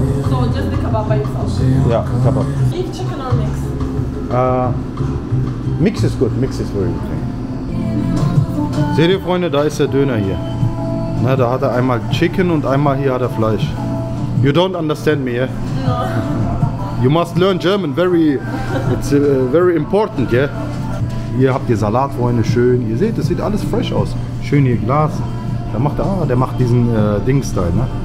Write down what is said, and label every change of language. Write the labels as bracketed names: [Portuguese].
[English] So just the kebab by yourself. Yeah, kebab. Beef, chicken, or mix? Mix is good, mix is very good. [German] Seht ihr, Freunde, da ist der Döner hier. Na, da hat er einmal Chicken und einmal hier hat er Fleisch. [English] You don't understand me, yeah? No. You must learn German, it's very important, yeah? [German] Hier habt ihr Salat, Freunde, schön. Ihr seht, das sieht alles fresh aus. Schön hier Glas. Da macht er, der macht diesen Ding-Style, ne?